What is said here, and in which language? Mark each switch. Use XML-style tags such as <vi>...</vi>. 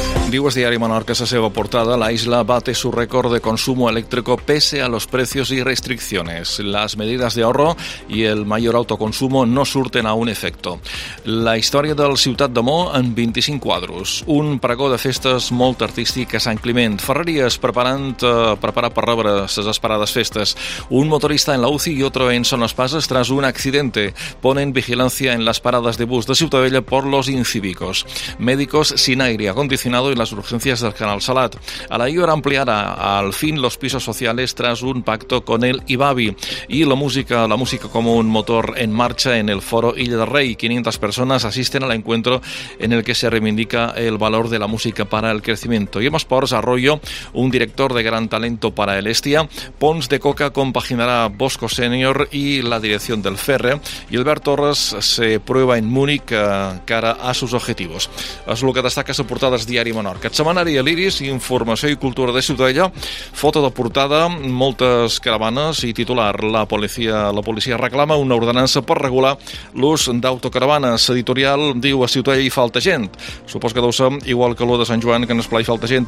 <ca>Diu el diari Menorca, la seva portada,</ca> <es>la isla bate su récord de consumo eléctrico pese a los precios y restricciones. Las medidas de ahorro y el mayor autoconsumo no surten a un efecto.</es> <ca>La història del Ciutat de Mó en 25 quadros. Un pregó de festes molt artístic a Sant Climent. Ferreries preparat per rebre les esperades festes.</ca> <es>Un motorista en la UCI i otro en Son Espases tras un accidente. Ponen vigilancia en las paradas de bus de Ciutadella por los incívicos. Médicos sin aire acondicionado las urgencias del Canal Salat. A la IOR ampliará al fin los pisos sociales tras un pacto con el IBABI. Y la música como un motor en marcha en el foro Illa del Rey. 500 personas asisten al encuentro en el que se reivindica el valor de la música para el crecimiento. Y en Esports, Arroyo, un director de gran talento para el Estia. Pons de Coca compaginará Bosco Senior y la dirección del Ferre. Y Alberto Torres se prueba en Múnich cara a sus objetivos. Es lo que destaca su portada diaria Menorca.</es> <ca>Setmanari Eliris, informació i cultura de Ciutadella, foto de portada, moltes caravanes i titular. La policia reclama una ordenança per regular l'ús d'autocaravanes. Editorial diu a Ciutadella hi falta gent. Supos que deu ser igual que l'o de Sant Joan, que en esplai falta gent.</ca>